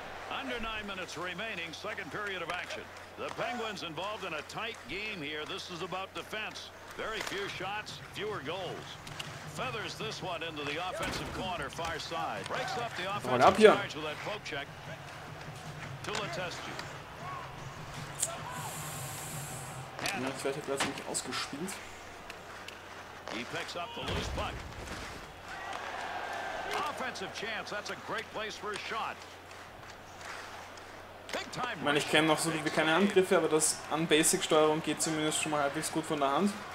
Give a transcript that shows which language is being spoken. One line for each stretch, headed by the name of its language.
English: Under 9 minutes remaining. Second period of action. The Penguins involved in a tight game here. This is about defense. Very few shots, fewer goals. Feathers this one into the offensive corner, far side. Breaks up the offensive up charge with that poke check. To Letestu.
German: Ja, vielleicht hat er das nicht ausgespielt.
English: He picks up the loose puck. Offensive chance, that's a great place for a shot.
German: Ich meine, ich kenne noch so wie keine Angriffe, aber das an Basic-Steuerung geht zumindest schon mal halbwegs gut von der Hand.